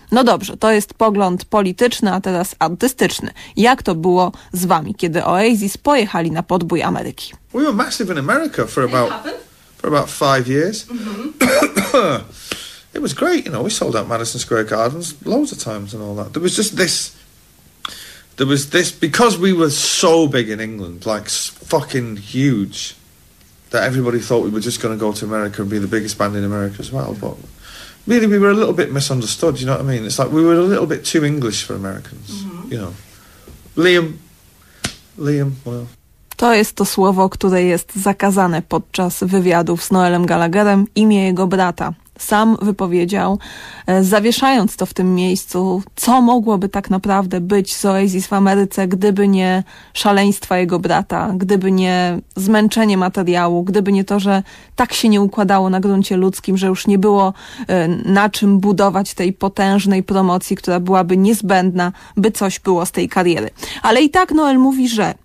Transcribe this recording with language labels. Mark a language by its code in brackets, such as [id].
[pl] No dobrze, to jest pogląd polityczny, a teraz artystyczny. Jak to było z wami, kiedy Oasis pojechali na podbój Ameryki? [en] We were massive in America for about 5 years. Mm-hmm. It was great, you know, we sold out Madison Square Gardens loads of times and all that. There was this, because we were so big in England, like fucking huge, that everybody thought we were just going to go to America and be the biggest band in America as well, but really, we were a little bit misunderstood, you know what I mean? It's like we were a little bit too English for Americans, mm-hmm. You know. Liam, well. [pl] To jest to słowo, które jest zakazane podczas wywiadów z Noelem Gallagherem, imię jego brata. Sam wypowiedział, zawieszając to w tym miejscu, co mogłoby tak naprawdę być z Oasis w Ameryce, gdyby nie szaleństwa jego brata, gdyby nie zmęczenie materiału, gdyby nie to, że tak się nie układało na gruncie ludzkim, że już nie było na czym budować tej potężnej promocji, która byłaby niezbędna, by coś było z tej kariery. Ale i tak Noel mówi, że